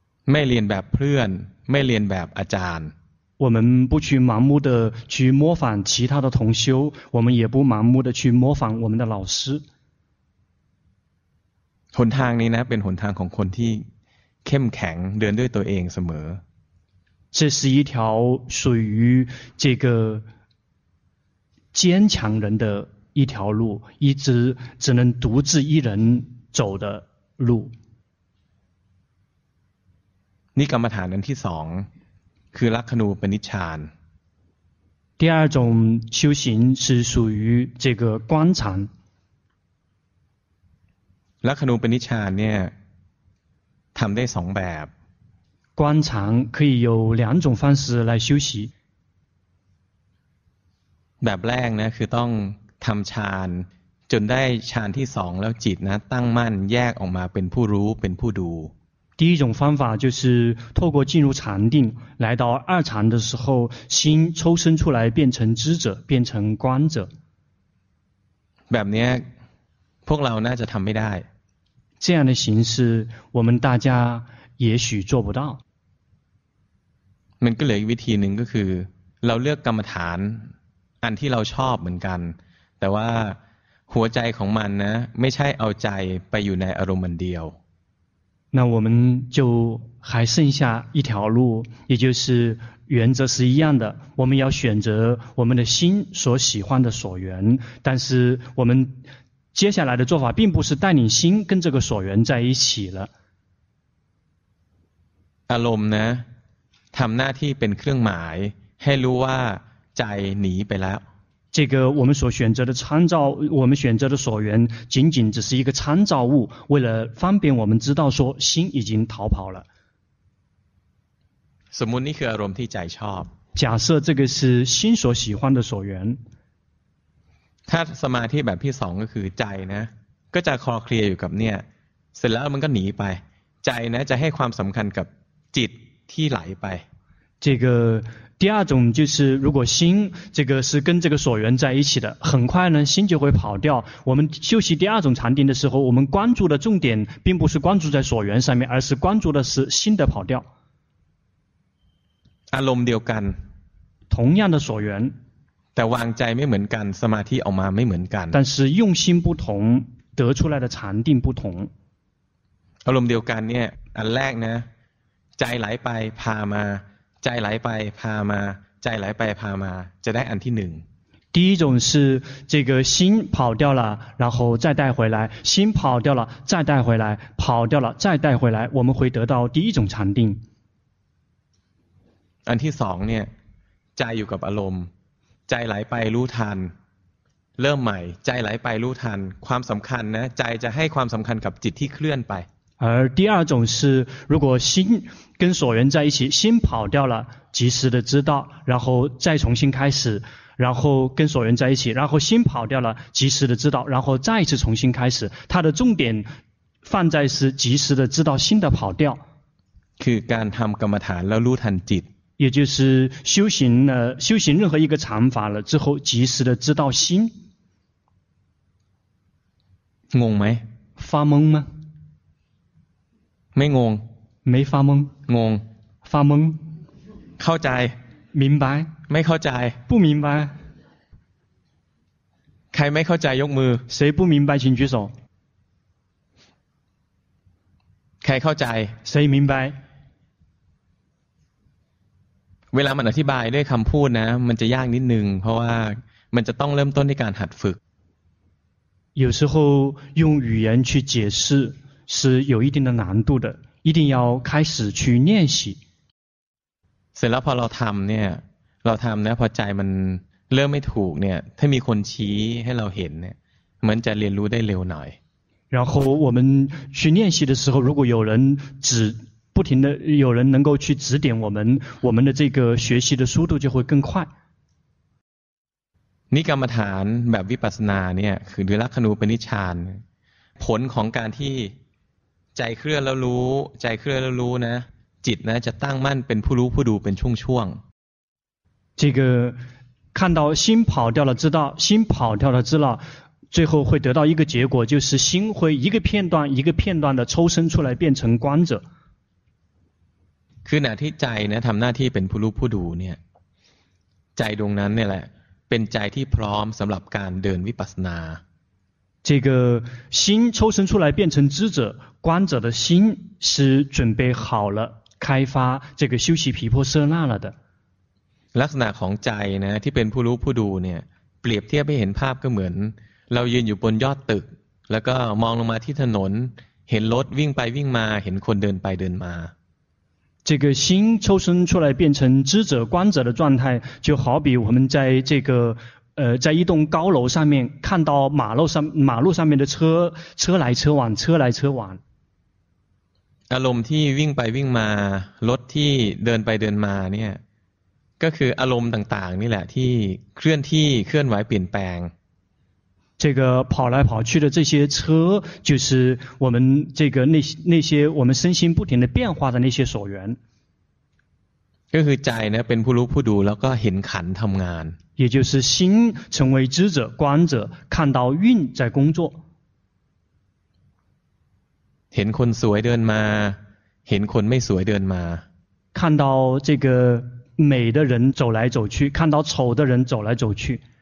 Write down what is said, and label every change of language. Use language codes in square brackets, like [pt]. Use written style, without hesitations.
[th] ไม่เรียนแบบเพื่อนไม่เรียนแบบอาจารย์ [zh] 我们不去盲目的去模仿其他的同修，我们也不盲目的去模仿我们的老师。 [th] หนทางนี้นะเป็นหนทางของคนที่เข้มแข็งเดินด้วยตัวเองเสม [zh] อ这是一条属于这个坚强人的一条路，一直只能独自一人走的路。 [th] นี่กรรมฐานอันที่สองคือลักขณูปนิชฌาน [zh] 第二种修行是属于这个观禅 [th] ลักขณูปนิชฌานเนี่ยทำได้สองแบบ [zh] 观禅可以有两种方式来修习 [th] แบบแรกนะคือต้องทำฌานจนได้ฌานที่สองแล้วจิตนะตั้งมั่นแยกออกมาเป็นผู้รู้เป็นผู้ดู [zh] 第一种方法就是透过进入禅定来到二禅的时候心抽身出来变成知者变成观者 [th] แบบนี้พวกเราน่าจะทำไม่ได้ [zh] 这样的形式我们大家也许做不到 [th] มันก็เหลืออีกวิธีหนึ่งก็คือเราเลือกกรรมฐานอันที่เราชอบเหมือนกันแต่ว่าหัวใจของมันนะไม่ใช่เอาใจไปอยู่ในอารมณ์เดียว [zh] 那我们就还剩下一条路也就是原则是一样的我们要选择我们的心所喜欢的所缘但是我们接下来的做法并不是带领心跟这个所缘在一起了 [th] อารมณ์นะทำหน้าที่เป็นเครื่องหมายให้รู้ว่าใจหนีไปแล้ว [zh] 这个我们所选择的参照我们选择的所缘仅仅只是一个参照物为了方便我们知道说心已经逃跑了 [th] สมมุตินี่คืออารมณ์ที่ใจชอบ [zh] 假设这个是心所喜欢的所缘 [th] ถ้าสมาธิแบบที่สองก็คือใจนะก็จะคลอเคลียร์อยู่กับเนี่ยเสร็จแล้วมันก็หนีไปใจนะจะให้ความสำคัญกับจิตที่ไหลไป [zh] 这个第二种就是如果心这个是跟这个所缘在一起的很快呢心就会跑掉我们休息第二种禅定的时候我们关注的重点并不是关注在所缘上面而是关注的是心的跑掉 [th] อารมณ์เดียวกัน [zh] 同样的所缘 [th] แต่วางใจไม่เหมือนกันสมาธิออกมาไม่เหมือนกัน [zh] 但是用心不同得出来的禅定不同 [th] อารมณ์เดียวกันเนี่ยอันแรกนะใจไหลไปพามาใจไหลไปพามาใจไหลไปพามาจะได้อันที่หนึ่ง [zh] 第一种是这个心跑掉了然后再带回来心跑掉了再带回来跑掉了再带回来我们会得到第一种禅定 [th] อันที่สองเนี่ยใจอยู่กับอารมณ์ใจไหลไปรู้ทันเริ่มใหม่ใจไหลไปรู้ทันความสำคัญนะใจจะให้ความสำคัญกับจิตที่เคลื่อนไป [zh] 而第二种是如果心跟所缘在一起心跑掉了及时的知道然后再重新开始然后跟所缘在一起然后心跑掉了及时的知道然后再一次重新开始它的重点放在是及时的知道心的跑掉 [th] คือการทำกรรมฐานแล้วรู้ทันจิต [zh] 也就是修行了修行任何一个禅法了之后及时的知道心 [th] งงไหม [zh] 发懵吗 [th] ไม่งง [zh] 没发懵 [th] งง [zh] 发懵 [th] เข้าใจ [zh] 明白 [th] ไม่เข้าใจ [zh] 不明白 [th] ใครไม่เข้าใจยกมือ [zh] 谁不明白请举手 [th] ใครเข้าใจ [zh] 谁明白 [th] เวลามันอธิบายด้วยคำพูดนะมันจะยากนิดนึงเพราะว่ามันจะต้องเริ่มต้นในการหัดฝึก [zh] 有时候用语言去解释是有一定的难度的一定要开始去练习 [th] เสร็จแล้วพอเราทำเนี่ยเราทำนะพอใจมันเริ่มไม่ถูกเนี่ยถ้ามีคนชี้ให้เราเห็นเนี่ยเหมือนจะเรียนรู้ได้เร็วหน่อย [zh] 然后我们去练习的时候，如果有人指不停的，有人能够去指点我们，我们的这个学习的速度就会更快。 [th] นิกรรมฐานแบบวิปัสสนาเนี่ยคือวิรัคคณูปนิชฌานผลของการที่ใจเคลื่อนแล้วรู้ใจเคลื่อนแล้วรู้นะจิตนะจะตั้งมั่นเป็นผู้รู้ผู้ดูเป็นช่วง [zh] ๆ这个看到心跑掉了知道心跑掉了知道最后会得到一个结果就是心会一个片段一个片段的抽身出来变成观者 [th] คือหน้าที่ใจนะทำหน้าที่เป็นผู้รู้ผู้ดูเนี่ยใจตรงนั้นเนี่ยแหละเป็นใจที่พร้อมสำหรับการเดินวิปัสสนา [zh] 这个心抽身出来变成知者观者的心是准备好了开发这个修习毗婆舍那了的 [th] ลักษณะของใจนะที่เป็นผู้รู้ผู้ดูเนี่ยเปรียบเทียบให้เห็นภาพก็เหมือนเรายืนอยู่บนยอดตึกแล้วก็มองลงมาที่ถนนเห็นรถวิ่งไปวิ่งมาเห็นคนเดินไปเดินมา [zh] 这个心抽身出来变成知者观者的状态就好比我们在这个在一栋高楼上面看到马路上面的车来车往车来车往 [th] อารมณ์ที่วิ่งไปวิ่งมารถที่เดินไปเดินมาเนี่ยก็คืออารมณ์ต่างๆนี่แหละที่เคลื่อนที่เคลื่อนไหวเปลี่ยนแปลง [zh] 这个跑来跑去的这些车就是我们这个那些我们身心不停的变化的那些所缘 [th] ก็คือใจนะเป็นผู้รู้ผู้ดูแล้วก็เห็นขันทำงาน [zh] 也就是心成为知者观者看到运在工作 [th] เห็นคนสวยเดินมาเห็นคนไม่สวยเดินมา [zh] 看到这个美的人走来走去看到丑的人走来走去